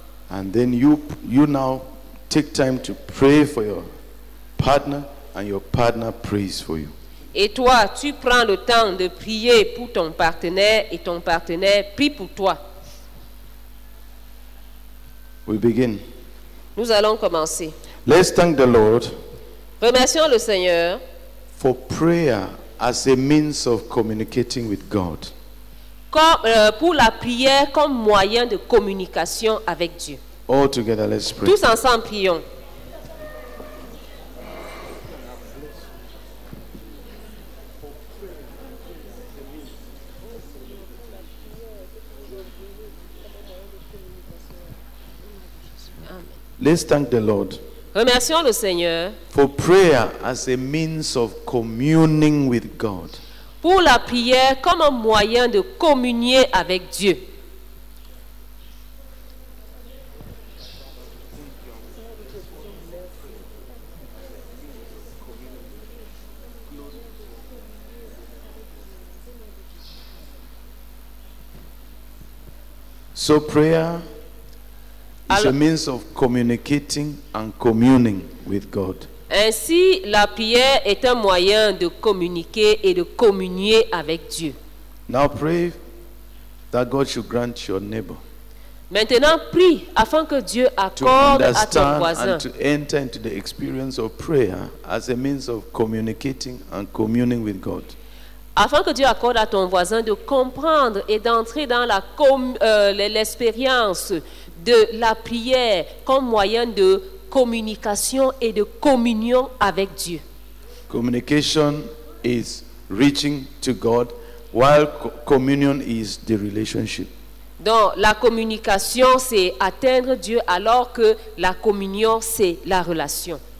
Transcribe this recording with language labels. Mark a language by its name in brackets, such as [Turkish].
[English] And then you now take time to pray for your partner, and your partner prays for you. [French] Et toi, tu prends le temps de prier pour ton partenaire et ton partenaire prie pour toi. [English] We begin. [French] Nous allons commencer. [English] Let's thank the Lord. [French] Remercions le Seigneur. [English] For prayer as a means of communicating with God. [French] Pour la prière comme moyen de communication avec Dieu. [English] All together, let's pray. [French] Tous ensemble, prions. [English] Let's thank the Lord. [French] Remercions le Seigneur. [English] For prayer as a means of communing with God. [French] Pour la prière comme un moyen de communier avec Dieu. [English] So prayer is a means of communicating and communing with God. [French] Ainsi, la prière est un moyen de communiquer et de communier avec Dieu. [English] Now pray that God should grant your neighbor. [French] Maintenant, prie afin que Dieu accorde à ton voisin. [English] And to enter into the experience of prayer as a means of communicating and communing with God. [French] Afin que Dieu accorde à ton voisin de comprendre et d'entrer dans la l'expérience de la prière comme moyen de communication et de communion avec Dieu. [English] Communication is reaching to God, while communion is the relationship. [French] Donc, la communication, c'est atteindre Dieu, alors que la communion, c'est la relation.